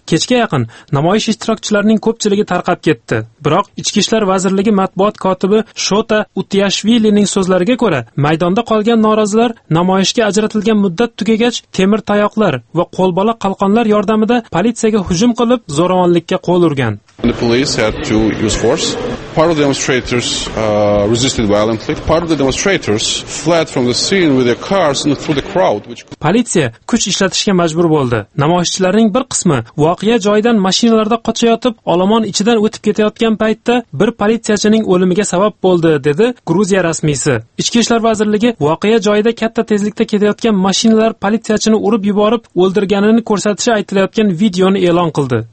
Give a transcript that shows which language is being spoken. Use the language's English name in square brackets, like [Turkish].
[Uzbek] Kechga yaqin namoyish ishtirokchilarining ko'pchiligi tarqab ketdi. Biroq Ichki ishlar vazirligi matbuot kotibi Shota Utiyashvilining so'zlariga ko'ra, maydonda qolgan norozilar namoyishga ajratilgan muddat tugagach temir tayoqlar va qo'lbola qalqonlar yordamida politsiyaga hujum qilib zo'ravonlikka qo'l urgan. [English] The police had to use force. Part of the demonstrators resisted violently. Part of the demonstrators fled from the scene with their cars and through the crowd. [Uzbek] Politsiya kuch ishlatishga majbur bo'ldi. Namoyishchilarning bir qismi voqea joyidan mashinalarda qochayotib, olomon ichidan o'tib ketayotgan paytda bir politsiyachining o'limiga sabab bo'ldi, dedi Gruziya rasmiysi. Ichki ishlar vazirligi voqea joyida katta tezlikda ketayotgan mashinalar politsiyachini urib yuborib o'ldirganini ko'rsatishi aytilayotgan videoni e'lon qildi.